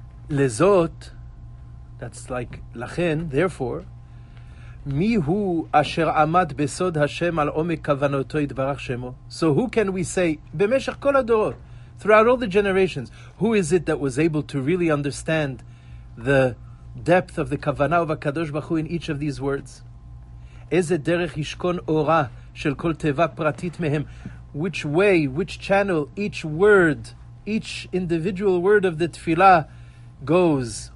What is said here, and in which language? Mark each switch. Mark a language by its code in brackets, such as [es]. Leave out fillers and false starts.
[he] לזאת, [en] that's like, [he] לכן, [en] therefore, [he] מי הוא אשר עמד בסוד השם על עומק כוונותו יתברך שמו? [en] So who can we say, [he] במשך כל הדורות, [en] throughout all the generations, who is it that was able to really understand the depth of the כוונה of הקדוש ברוך הוא in each of these words? [he] איזה דרך ישכון אורה של כל תיבה פרטית מהם? [en] Which way, which channel, each word, each individual word of the תפילה goes?